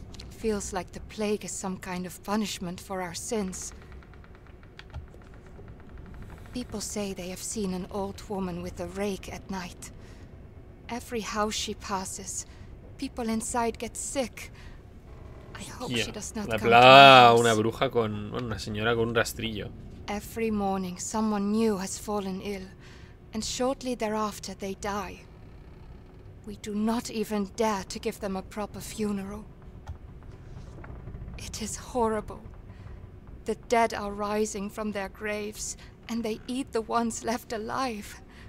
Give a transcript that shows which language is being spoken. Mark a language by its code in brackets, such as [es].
[en] Feels like the plague is some kind of punishment for our sins. People say they have seen an old woman with a rake at night. Every house she passes, people inside get sick. I hope she does not come. [es] La una bruja con bueno, una señora con un rastrillo. [en] Every morning someone new has fallen ill, and shortly thereafter they die. We do not even dare to give them a proper funeral. It is horrible. The dead are rising from their graves, and they eat the ones left alive.